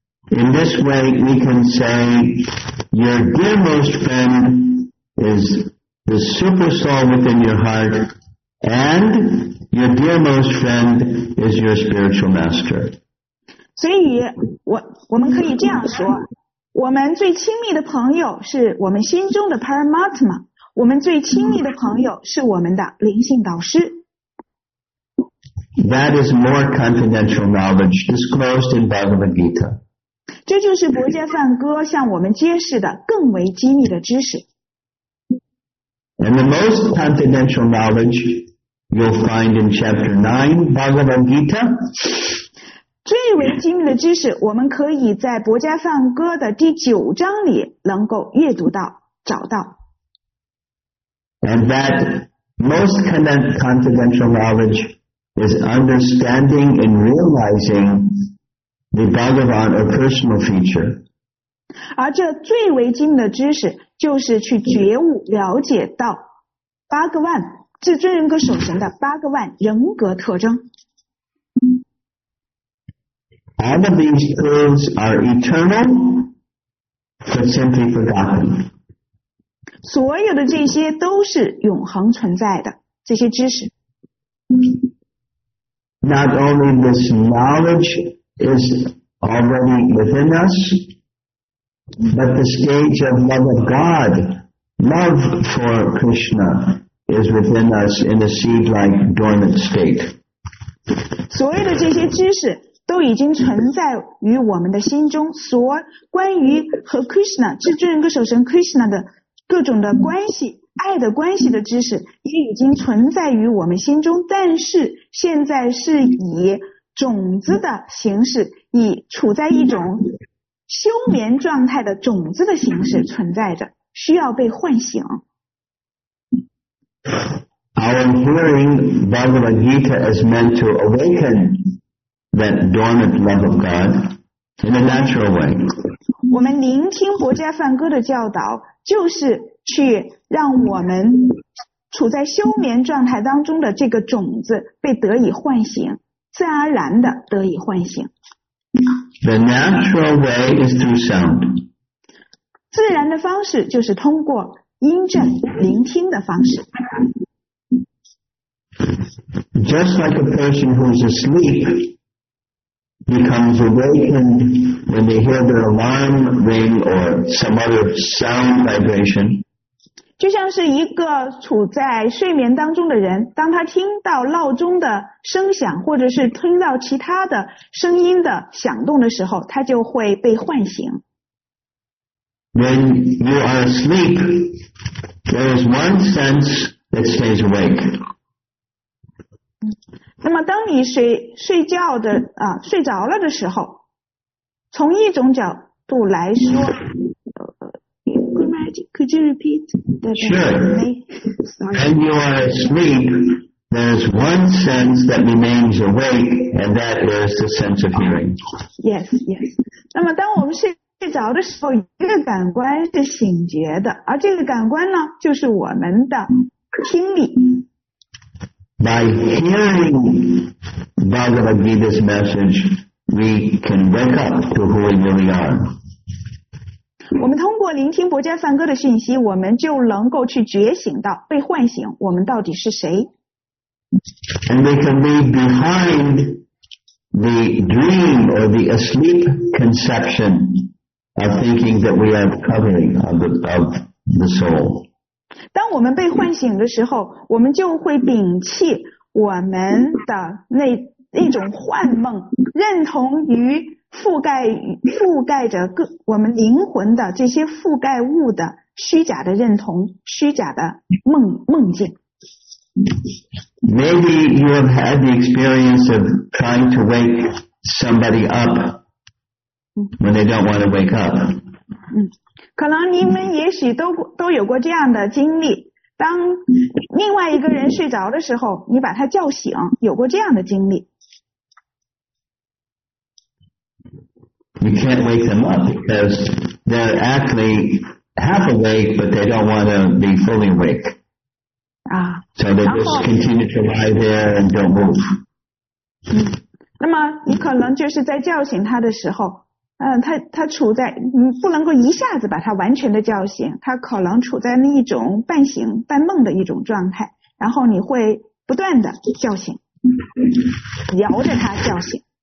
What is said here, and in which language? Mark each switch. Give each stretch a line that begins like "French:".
English: In this way, we can say your dearest friend is the super soul within your heart, and your dearest friend is your spiritual master.
Chinese: 所以，我们可以这样说：我们最亲密的朋友是我们心中的 Paramatma， 我们最亲密的朋友是我们的灵性导师。
English: That is more confidential knowledge disclosed in Bhagavad Gita.
Chinese: 这就是博伽梵歌向我们揭示的更为机密的知识。
English: And the most confidential knowledge you'll find in Chapter 9, Bhagavad Gita.
Chinese: 最为机密的知识，我们可以在博伽梵歌的第九章里能够阅读到、找到。
English: And that most confidential knowledge. Is understanding and realizing the Bhagavan or personal feature.
Chinese: 而这最为精的知识就是去觉悟了解到八个万至尊人格守神的八个万人格特征。
English: All of these truths are eternal, but simply forgotten.
Chinese: 所有的这些都是永恒存在的这些知识。
English: Not only this knowledge is already within us, but the stage of love of God, love for Krishna, is within us in a seed-like dormant state.
Chinese: 所有的这些知识都已经存在于我们的心中，所关于和 Krishna, 至尊人格守神 Krishna 的各种的关系爱的关系的知识也已经存在于我们心中，但是现在是以种子的形式，以处在一种休眠状态的种子的形式存在着，需要被唤醒。
English: Our hearing Bhagavad Gita is meant to awaken that dormant love of God in a natural way.
Chinese: 我们聆听博伽梵歌的教导就是去让我们处在休眠状态当中的这个种子被得以唤醒，自然而然的得以唤醒。
English: The natural way is through sound.
Chinese: 自然的方式就是通过音振聆听的方式。
English: Just like a person who is asleep becomes awakened when they hear their alarm ring or some other sound vibration.
Chinese: 就像是一个处在睡眠当中的人，当他听到闹钟的声响，或者是听到其他的声音的响动的时候，他就会被唤醒。
English: When you are asleep, there is one sense that stays awake.
Chinese: 那么当你 睡着了的时候，从一种角度来说，
English: Could you repeat that? Sure. When you are asleep, there's one sense that remains awake, and that is the sense of hearing. Yes, yes.
Chinese: 那么当我们睡着的时候，一个感官是醒觉的，而这个感官呢，就是我们的听力。
English: By hearing Bhagavad Gita's message, we can wake up to who we really are.
Chinese: 我们通过聆听博家梵歌的讯息，我们就能够去觉醒到，被唤醒，我们到底是谁。
English: And we can leave behind the dream or the asleep conception of thinking that we are covering of the soul.
Chinese: 当我们被唤醒的时候，我们就会摒弃我们的那种幻梦，认同于覆盖着我们灵魂的这些覆盖物的虚假的认同，虚假的梦境。
English: Maybe you have had the experience of trying to wake somebody up when they don't want to wake up.
Chinese: 可能你们也许都有过这样的经历，当另外一个人睡着的时候，你把他叫醒，有过这样的经历。
English: You can't wake them up because they're actually half awake, but they don't want to be fully awake. So they just continue to lie there and don't move.
Chinese: 那么你可能就是在叫醒他的时候，他处在，你不能够一下子把他完全的叫醒，他可能处在那一种半醒半梦的一种状态，然后你会不断的叫醒，摇着他叫醒。